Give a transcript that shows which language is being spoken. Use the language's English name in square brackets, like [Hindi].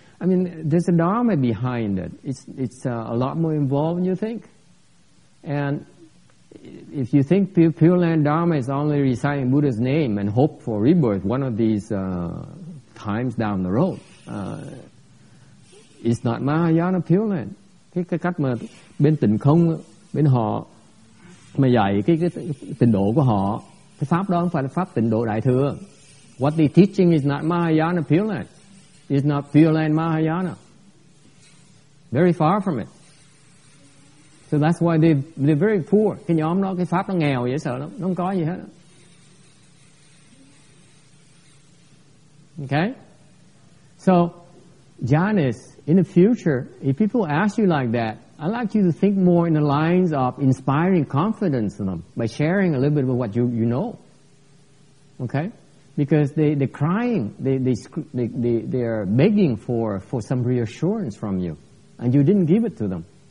[English] I mean, there's a dharma behind it. It's a lot more involved than you think. And if you think Pure Land Dharma is only reciting Buddha's name and hope for rebirth one of these times down the road, it's not Mahayana Pure Land. [Vietnamese] Cái cách mà bên tịnh không, bên họ mà dạy cái tịnh độ của họ, cái pháp đó không phải là pháp tịnh độ đại thừa. [English] What they're teaching is not Mahayana Pure Land. It's not Pure Land Mahayana. Very far from it. So that's why they're very poor. [Vietnamese] Cái nhóm đó, cái pháp nó nghèo dễ sợ lắm. Nó không có gì hết. [English] Okay? So, John is, in the future, if people ask you like that, I'd like you to think more in the lines of inspiring confidence in them by sharing a little bit of what you know. Okay? Because they're crying, they are begging for some reassurance from you, and you didn't give it to them.